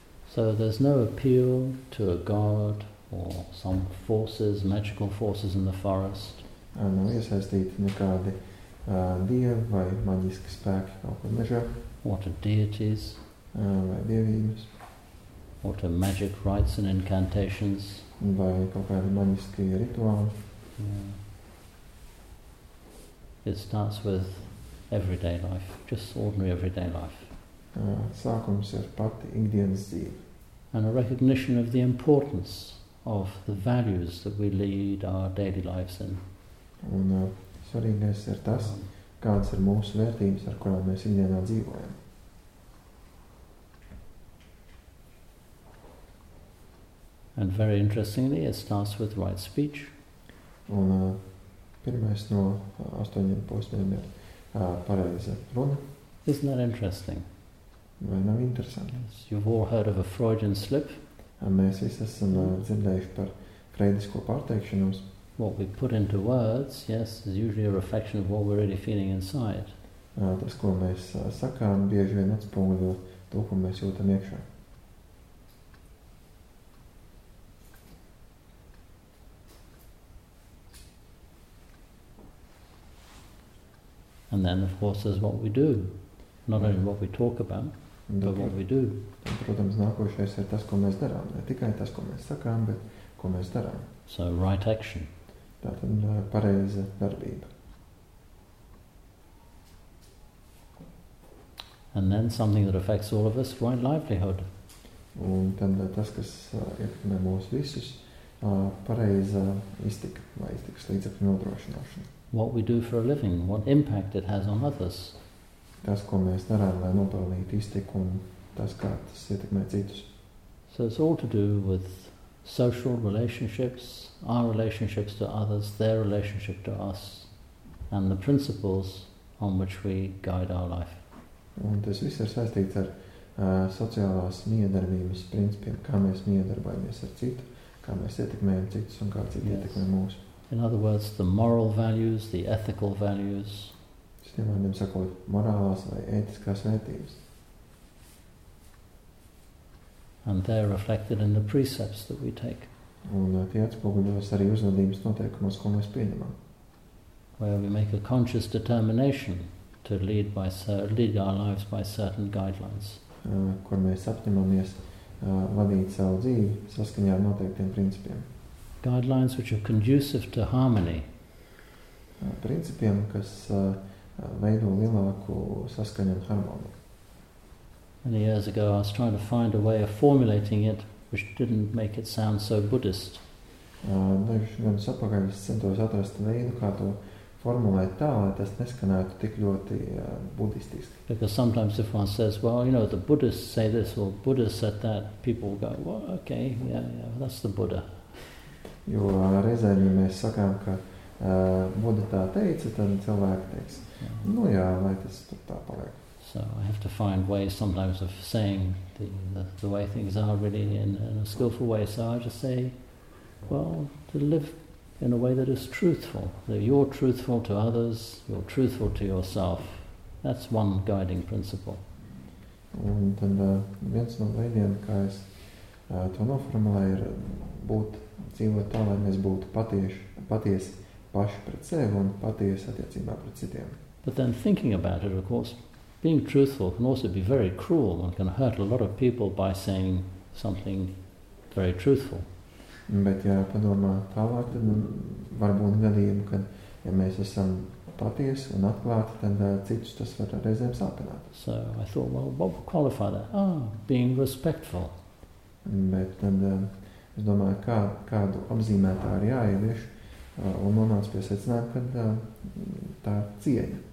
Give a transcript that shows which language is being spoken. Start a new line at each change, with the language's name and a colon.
English: So there's no appeal to a god or some forces, magical forces in the forest.
Latvian: Nav iesaistīti nekādi dievi vai maģiski spēki kaut kur mežā.
English: What are deities?
Latvian: Vai dievības.
English: What are magic rites and incantations?
Latvian: Vai kaut kādi maģiski rituāli.
English: Yeah. It starts with everyday life, just ordinary everyday life.
Latvian: Sākums ir pati ikdienas dzīve.
English: And a recognition of the importance of the values that we lead our daily lives in.
Latvian: Un svarīgais ir tas, kādas ir mūsu vērtības, ar kurām mēs ikdienā dzīvojam.
English: And very interestingly, it starts with right speech.
Latvian: Un pirmais no astoņiem posmiem ir pareiza runa.
English: Isn't that interesting?
Latvian: Vai nav interesanti? Yes,
English: you've all heard of a Freudian slip.
Latvian: Mēs visi esam dzirdējuši par freidisko pārteikšanos.
English: What we put into words, yes, is usually a reflection of what we're really feeling inside.
Latvian: Tas, ko mēs sakām, bieži vien atspoguļo to, ko mēs jūtam iekšā.
English: And then, of course, is what we do. Not only what we talk about, but what we do.
Latvian: Un, protams, nākošais ir tas, ko mēs darām. Ne tikai tas, ko mēs sakām, bet ko mēs darām.
English: So, right action.
Latvian: Tātad pareiza darbība.
English: And then something that affects all of us, right livelihood.
Latvian: Un tad tas, kas ietekmē mūs visus, pareiza iztika, vai iztikas līdzekļu nodrošināšana.
English: What we do for a living, what impact it has on others.
Latvian: Tas, ko mēs darām, lai nopelnītu iztiku, un tas, kā tas ietekmē citus.
English: So it's all to do with social relationships, our relationships to others, their relationship to us, and the principles on which we guide our life.
Latvian: Un tas viss ir saistīts ar sociālās miedarbības principiem, kā mēs miedarbojamies ar citu, kā mēs ietekmējam citus un kā citi ietekmē mūs.
English: In other words, the moral values, the ethical values.
Latvian: Šitiem vārdiem sakot, morālās vai ētiskās vērtības.
English: And they're reflected in the precepts that we take.
Latvian: Un tie atspoguļojas arī uzvedības noteikumos, ko mēs pieņemam.
English: Where we make a conscious determination to lead our lives by certain guidelines.
Latvian: Kur mēs apņemamies vadīt savu dzīvi saskaņā ar noteiktiem principiem.
English: Guidelines which are conducive to harmony.
Latvian: Principiem, kas veido lielāku saskaņu un harmoniju.
English: Many years ago I was trying to find a way of formulating it which didn't make it sound so Buddhist.
Latvian: Dažreiz apakaļ es centos atrast veidu, kā to formulēt tā, lai tas neskanētu tik ļoti budistiski.
English: Because sometimes if one says, well, you know, the Buddhists say this or Buddhists said that, people go, well, okay, yeah, that's the Buddha.
Latvian: Jo reizēm, ja mēs sakām, ka Buddha tā teica, tad cilvēki teiks, nu jā, lai tas tur tā paliek.
English: So I have to find ways sometimes of saying the way things are really in a skillful way. So I just say, well, to live in a way that is truthful. That you're truthful to others, you're truthful to yourself. That's one guiding principle.
Latvian: Un tad viens no veidiem, kā es to noformulēju, ir būt, dzīvot tā, lai mēs būtu patiesi paši pret sevi un patiesi attiecībā pret citiem.
English: But then thinking about it, of course, being truthful can also be very cruel and can hurt a lot of people by saying something very truthful.
Latvian: Bet ja padomā tālāk, tad varbūt gadījumi, kad ja mēs esam patiesi un atklāti, tad citus tas var reizēm sāpināt.
English: So I thought, well, what would qualify that? Ah, being respectful.
Latvian: Bet tad es domāju, kādu apzīmētāju jāievieš, un nonāca pie secinājuma, ka tā ir cieņa.